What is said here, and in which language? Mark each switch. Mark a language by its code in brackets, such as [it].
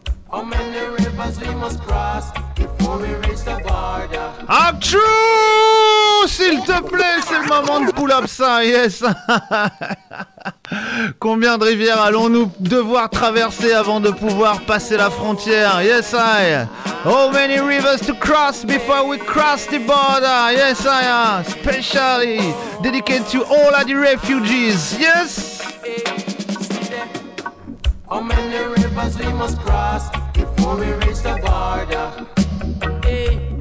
[en] How many rivers we must cross before we reach the border? Achou! [fr] S'il te plaît, c'est le moment de [en] pull up [fr] ça, [en] yes. [fr] Combien de rivières allons-nous devoir traverser avant de pouvoir passer la frontière? [en] Yes, I. How many rivers to cross before we cross the border? Yes, I. Specially dedicated to all of the refugees. Yes. How many rivers we must cross before we reach the border?